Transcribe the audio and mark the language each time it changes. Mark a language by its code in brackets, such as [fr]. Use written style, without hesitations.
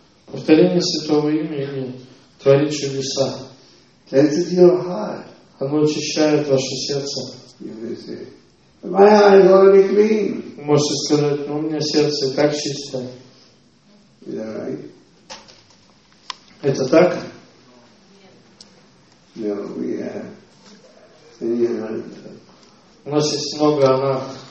[ru] Повторение святого имени творит чудеса. [en] Cleanses your heart. [ru] Оно очищает ваше сердце. [en] You may say, my heart is already clean. [ru] Вы можете сказать, ну у меня сердце так чисто. [en] Is that right? [ru] Это так? [en] No, we have many anathas. [ru] У нас есть много анах.